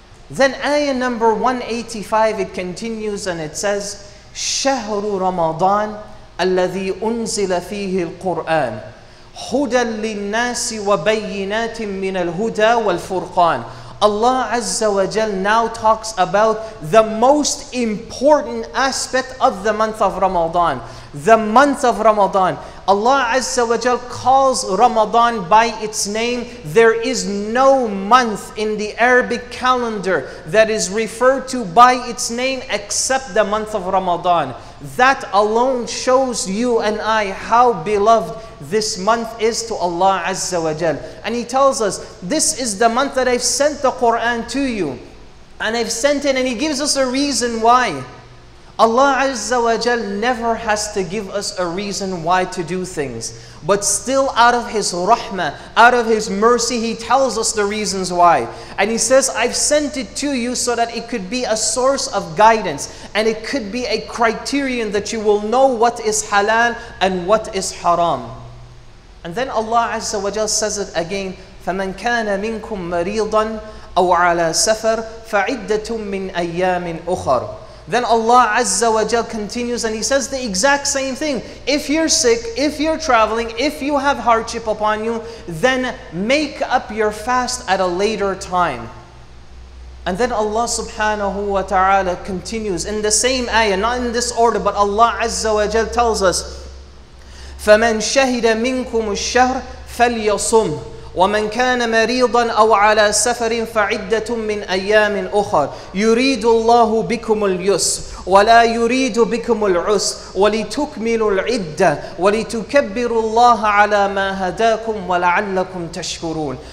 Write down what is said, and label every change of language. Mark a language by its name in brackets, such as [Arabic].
[English] Then ayah number 185, it continues and it says, [Arabic] شهر رمضان الذي أنزل فيه القرآن هدى للناس وبينات من الهدى والفرقان. [English] Allah Azza wa Jal now talks about the most important aspect of the month of Ramadan. The month of Ramadan. Allah Azza wa Jal calls Ramadan by its name. There is no month in the Arabic calendar that is referred to by its name except the month of Ramadan. That alone shows you and I how beloved this month is to Allah Azza wa Jal. And He tells us, this is the month that I've sent the Quran to you. And I've sent it, and He gives us a reason why. Allah Azza wa Jal never has to give us a reason why to do things. But still out of His rahmah, out of His mercy, He tells us the reasons why. And He says, I've sent it to you so that it could be a source of guidance. And it could be a criterion that you will know what is halal and what is haram. And then Allah Azza wa Jal says it again, [Arabic] فَمَنْ كَانَ مِنْكُمْ مَرِيضًا أَوْ عَلَىٰ سَفَرٍ فَعِدَّةٌ مِّنْ أَيَّامٍ أُخَرٍ. [English] Then Allah Azza wa Jal continues and He says the exact same thing. If you're sick, if you're traveling, if you have hardship upon you, then make up your fast at a later time. And then Allah subhanahu wa ta'ala continues in the same ayah, not in this order, but Allah Azza wa Jal tells us, [Arabic] فَمَنْ شَهِدَ مِنْكُمُ الشَّهْرِ فَلْيَصُمْ وَمَنْ كَانَ مَرِيضًا أَوْ عَلَىٰ سَفَرٍ فَعِدَّةٌ مِّنْ أَيَّامٍ أُخَرٍ يُرِيدُ اللَّهُ بِكُمُ الْيُسْرَ وَلَا يُرِيدُ بِكُمُ الْعُسْرَ وَلِتُكْمِلُوا الْعِدَّةَ وَلِتُكَبِّرُوا اللَّهَ عَلَىٰ مَا هَدَاكُمْ وَلَعَلَّكُمْ تَشْكُرُونَ.